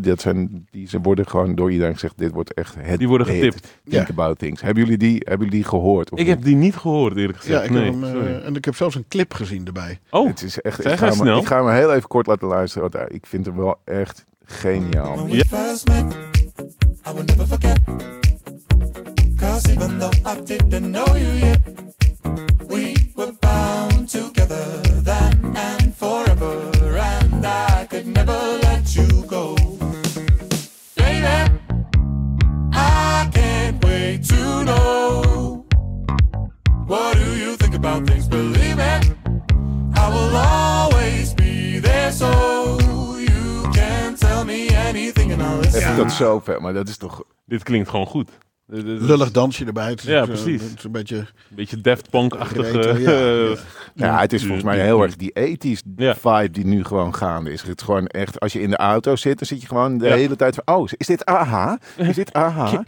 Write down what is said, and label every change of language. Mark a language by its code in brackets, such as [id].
[nl] Die worden gewoon door iedereen gezegd, dit wordt echt het. Die worden getipt. Think About Things. Hebben jullie die gehoord? Of ik heb die niet gehoord, eerlijk gezegd. Ja, ik nee, heb hem, en ik heb zelfs een clip gezien erbij. Oh, het is echt, zeg maar snel. Ik ga hem heel even kort laten luisteren, want ik vind hem wel echt geniaal. [en] When we first met, I will never forget. Cause even though I didn't know you yet, we were bound together then and forever, and I could never let you go. Baby, I can't wait to know. What do you think about things? Believe it, I will always be there, so you can tell me anything and I'll listen. [nl] Ik vind dat zo vet, maar dat is toch. Dit klinkt gewoon goed. Lullig dansje erbij. Ja, precies. Het is een beetje. Een beetje Daft Punk-achtig. Ja, het is volgens mij heel erg die ethisch vibe die nu gewoon gaande is. Het is gewoon echt, als je in de auto zit, dan zit je gewoon de hele tijd van. Oh, is dit AHA? Is dit AHA?